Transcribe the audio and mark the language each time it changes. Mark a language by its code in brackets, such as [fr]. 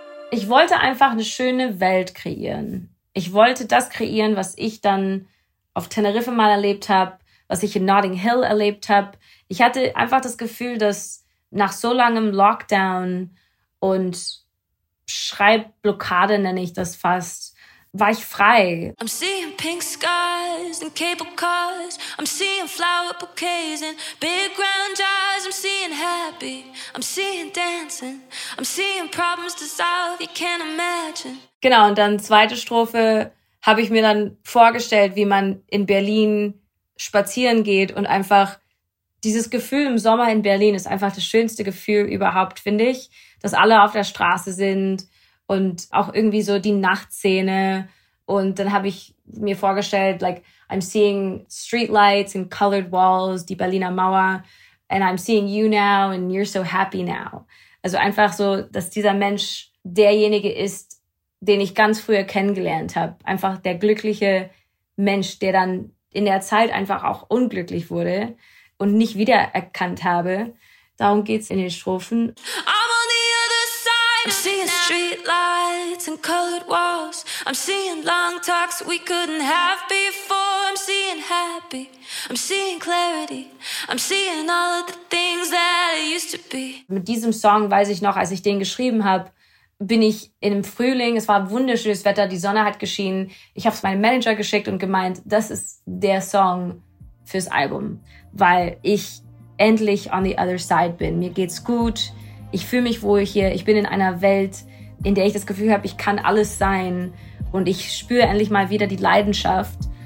[de] Ich wollte einfach eine schöne Welt kreieren. Ich wollte das kreieren, was ich dann auf Teneriffa mal erlebt habe, was ich in Notting Hill erlebt habe. Ich hatte einfach das Gefühl, dass nach so langem Lockdown und Schreibblockade, nenne ich das fast, war ich frei. [en] I'm seeing pink skies and cable cars. I'm seeing flower bouquets and big round eyes. I'm seeing happy. I'm seeing dancing. I'm seeing problems dissolve you can't imagine. [de] Genau, und dann zweite Strophe habe ich mir dann vorgestellt, wie man in Berlin spazieren geht und einfach dieses Gefühl im Sommer in Berlin ist einfach das schönste Gefühl überhaupt, finde ich, dass alle auf der Straße sind und auch irgendwie so die Nachtszene. Und dann habe ich mir vorgestellt, [en] like, I'm seeing streetlights and colored walls, [de] die Berliner Mauer, [en] and I'm seeing you now and you're so happy now. [de] Also einfach so, dass dieser Mensch derjenige ist, den ich ganz früher kennengelernt habe. Einfach der glückliche Mensch, der dann in der Zeit einfach auch unglücklich wurde und nicht wiedererkannt habe. Darum geht's in den Strophen. [en] I'm on the other side. I'm seeing streetlights and colored walls. I'm seeing long talks we couldn't have before. I'm seeing happy, I'm seeing clarity, I'm seeing all of the things that I used to be. [de] Mit diesem Song weiß ich noch, als ich den geschrieben habe, bin ich im Frühling, es war wunderschönes Wetter, die Sonne hat geschienen. Ich habe es meinem Manager geschickt und gemeint, das ist der Song fürs Album, weil ich endlich [en] on the other side [de] bin. Mir geht's gut, ich fühle mich wohl hier, ich bin in einer Welt, in der ich das Gefühl habe, ich kann alles sein und ich spüre endlich mal wieder die Leidenschaft.